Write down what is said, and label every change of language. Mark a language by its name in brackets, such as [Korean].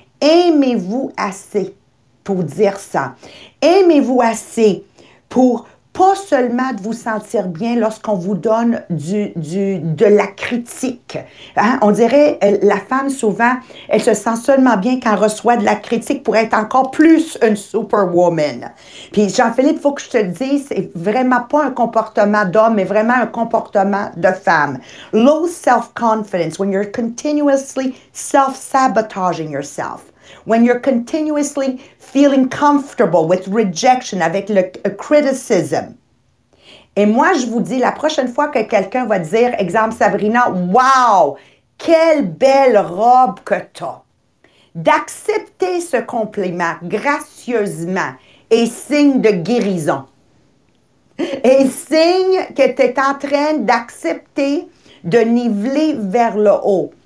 [French] Aimez-vous assez pour dire ça. Aimez-vous assez pour pas seulement de vous sentir bien lorsqu'on vous donne de la critique. Hein? On dirait, la femme, souvent, elle se sent seulement bien quand elle reçoit de la critique pour être encore plus une superwoman. Puis, Jean-Philippe, il faut que je te le dise, c'est vraiment pas un comportement d'homme, mais vraiment un comportement de femme. [English] Low self-confidence, when you're continuously self-sabotaging yourself. When you're continuously feeling comfortable with rejection, [French] avec le [English] criticism. [French] Et moi, je vous dis, la prochaine fois que quelqu'un va dire, exemple Sabrina, wow, quelle belle robe que tu as, d'accepter ce compliment gracieusement est signe de guérison. Et signe que tu es en train d'accepter de niveler vers le haut.